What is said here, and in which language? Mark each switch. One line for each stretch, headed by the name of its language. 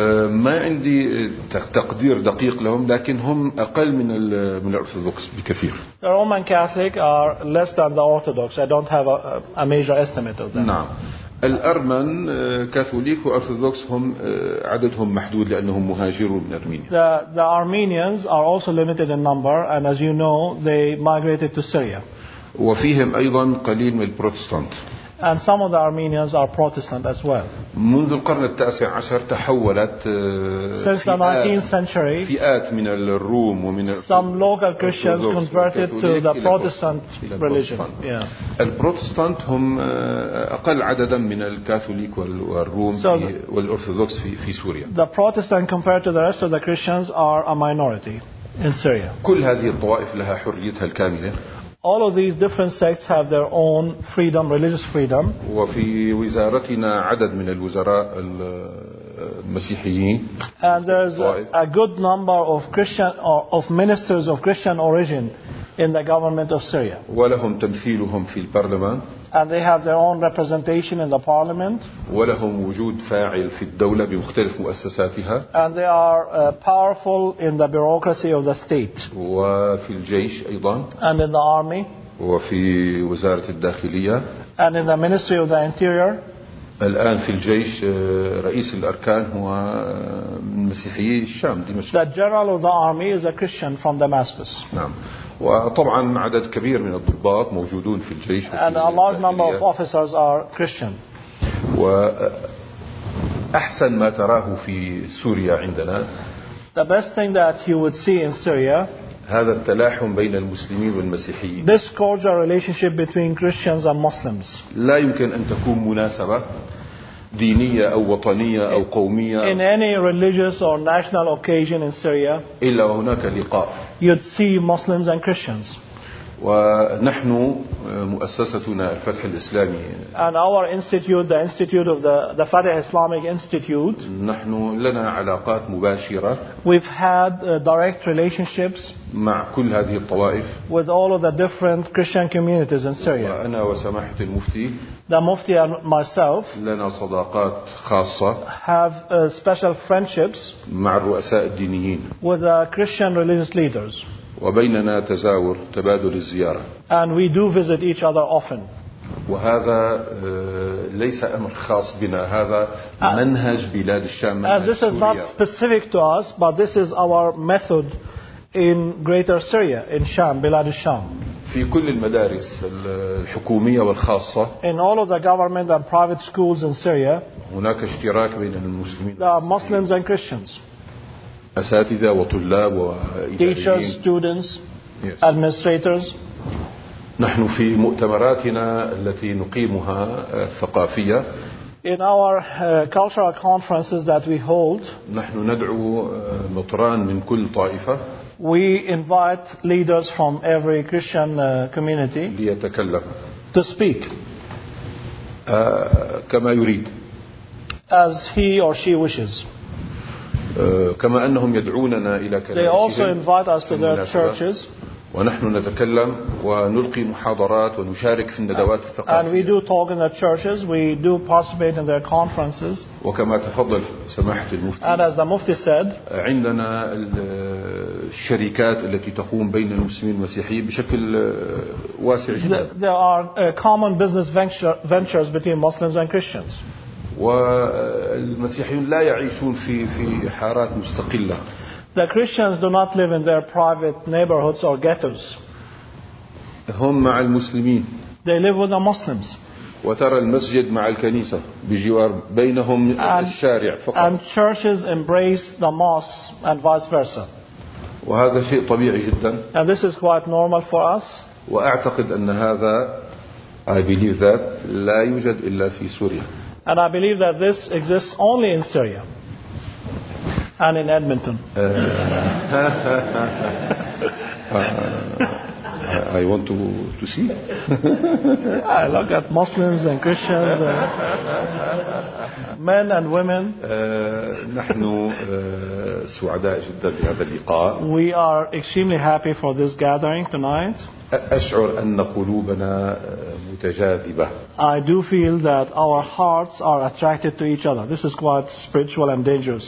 Arabic: ما عندي تقدير دقيق لهم، لكن هم أقل من الأرثوذكس بكثير.
English: The Roman Catholic are less than the Orthodox. I don't have a major estimate of them.
Arabic: نعم. الأرمن كاثوليك وأرثوذكس هم عددهم محدود لأنهم مهاجرون من أرمينيا.
English: The Armenians are also limited in number, and as you know, they migrated to Syria.
Arabic: وفيهم أيضا قليل من البروتستانت.
English: And some of the Armenians are Protestant as well.
Arabic: منذ القرن التاسع عشر تحولت
English: since the 19th century
Arabic: فئات من الروم ومن
English: some local Christians converted to the Protestant religion.
Arabic: البروتستانت هم أقل عددا من الكاثوليك والروم والأرثوذكس في سوريا.
English: The Protestant compared to the rest of the Christians are a minority in Syria.
Arabic: كل هذه الطوائف لها حريتها الكاملة.
English: All of these different sects have their own freedom, religious freedom.
Arabic: وفي وزارتنا عدد من الوزراء المسيحيين.
English: And there's a good number of Christian of ministers of Christian origin in the government of Syria.
Arabic: ولهم تمثيلهم في البرلمان.
English: And they have their own representation in the parliament.
Arabic: ولهم وجود فاعل في الدولة بمختلف مؤسساتها.
English: And they are powerful in the bureaucracy of the state.
Arabic: وفي الجيش أيضا.
English: And in the army.
Arabic: وفي وزارة الداخلية.
English: And in the ministry of the interior.
Arabic: الآن في الجيش رئيس الأركان هو مسيحي الشام دمشق.
English: The general of the army is a Christian from Damascus.
Arabic: نعم. وطبعا عدد كبير من الضباط موجودون في الجيش
English: and a large number of officers are Christian.
Arabic: وأحسن ما تراه في سوريا عندنا
English: the best thing that you would see in Syria
Arabic: هذا التلاحم بين المسلمين والمسيحيين
English: this cordial relationship between Christians and Muslims
Arabic: لا يمكن أن تكون مناسبة دينية أو وطنية أو قومية.
English: In any religious or national occasion in Syria.
Arabic: إلا هناك لقاء.
English: You'd see Muslims and Christians.
Arabic: ونحن مؤسستنا الفتح الإسلامي.
English: And our institute, the institute of the Fatah Islamic Institute.
Arabic: نحن لنا علاقات مباشرة.
English: We've had direct relationships.
Arabic: مع كل هذه الطوائف.
English: With all of the different Christian communities in Syria.
Arabic: وأنا وسماحة المفتي.
English: The Mufti and myself.
Arabic: لنا صداقات خاصة.
English: Have special friendships.
Arabic: مع الرؤساء الدينيين.
English: With the Christian religious leaders.
Arabic: وبيننا تزاور تبادل الزيارة.
English: And we do visit each other often.
Arabic: وهذا ليس أمر خاص بنا، هذا منهج بلاد الشام.
English: And this is not specific to us, but this is our method in Greater Syria, in Sham, بلاد الشام.
Arabic: في كل المدارس الحكومية والخاصة.
English: In all of the government and private schools in Syria.
Arabic: هناك اشتراك بين المسلمين.
English: There are Muslims and Christians.
Arabic: أساتذة وطلاب وإداريين.
English: Teachers, students, yes. Administrators.
Arabic: نحن في مؤتمراتنا التي نقيمها الثقافية.
English: In our cultural conferences that we hold.
Arabic: نحن ندعو مطران من كل طائفة.
English: We invite leaders from every Christian community.
Arabic: ليتكلم.
English: To speak.
Arabic: كما يريد.
English: As he or she wishes.
Arabic: كما أنهم يدعوننا إلى كنائسهم.
English: They also invite us to their churches.
Arabic: ونحن نتكلم ونلقي محاضرات ونشارك في الندوات الثقافية.
English: And we do talk in the churches. We do participate in their conferences.
Arabic: وكما تفضل سماحة المفتي.
English: And as the Mufti said.
Arabic: عندنا الشركات التي تقوم بين المسلمين والمسيحيين بشكل واسع جدا.
English: There are common business ventures between Muslims and Christians.
Arabic: والمسيحيون لا يعيشون في حارات مستقلة.
English: The Christians do not live in their private neighborhoods or ghettos.
Arabic: هم مع المسلمين.
English: They live with the Muslims.
Arabic: وترى المسجد مع الكنيسة بجوار بينهم الشارع فقط.
English: And churches embrace the mosques and vice versa.
Arabic: وهذا شيء طبيعي جدا.
English: And this is quite normal for us.
Arabic: وأعتقد أن هذا
English: I believe that
Arabic: لا يوجد إلا في سوريا.
English: And I believe that this exists only in Syria and in Edmonton. I want to see. I look at Muslims and Christians, men and women.
Arabic: نحن سعداء جدا بهذا اللقاء.
English: We are extremely happy for this gathering tonight.
Arabic: أشعر أن قلوبنا متجاذبة.
English: I do feel that our hearts are attracted to each other. This is quite spiritual and dangerous.